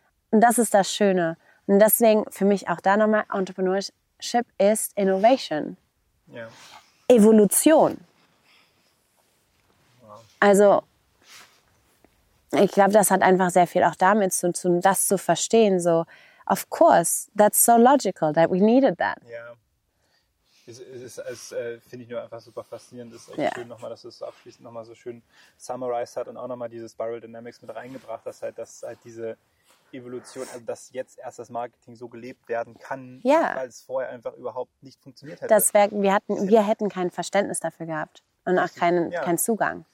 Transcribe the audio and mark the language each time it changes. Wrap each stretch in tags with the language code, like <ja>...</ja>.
<de>Und das ist das Schöne. Und deswegen für mich auch da nochmal, Entrepreneurship ist Innovation. Ja. Evolution. Wow. Also, ich glaube, das hat einfach sehr viel auch damit zu tun, das zu verstehen.</de> <en>So, of course, that's so logical that we needed that.</en> <de>Ja, finde ich nur einfach super faszinierend. Es ist echt schön, nochmal, dass du es abschließend nochmal so schön summarized hat und auch nochmal diese Spiral Dynamics mit reingebracht, dass halt diese Evolution, also dass jetzt erst das Marketing so gelebt werden kann, weil es vorher einfach überhaupt nicht funktioniert hätte. Wir hätten kein Verständnis dafür gehabt und auch keinen Zugang.</de>